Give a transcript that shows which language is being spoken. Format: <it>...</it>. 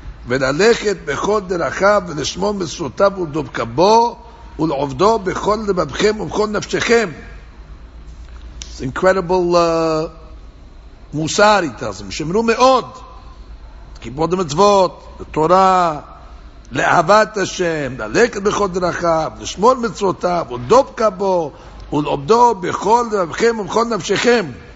<he>וללכת בכל דרכיו ולשמוע מצוותיו ולדבקבו ולעובדו בכל לבבכם ובכל נפשכם.</he> <en>It's incredible מוסר, he tells them.</en> <he>שמרו מאוד את כיפות המצוות, התורה, לאהבת השם, ללכת בכל דרכיו, לשמוע מצוותיו ולדבקבו ולעובדו בכל לבבכם ובכל נפשכם.</he>